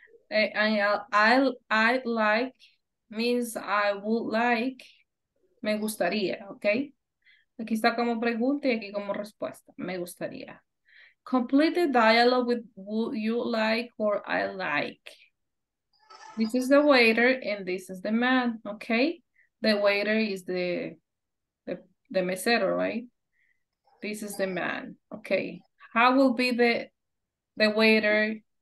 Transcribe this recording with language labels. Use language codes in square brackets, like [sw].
[en] I'd like means I would like, [es] me gustaría, [en] okay? [es] Aquí está como pregunta y aquí como respuesta, me gustaría. [en] Complete the dialogue with would you like or I like. This is the waiter and this is the man, okay? The waiter is the mesero, right? This is the man, okay? How will be the waiter?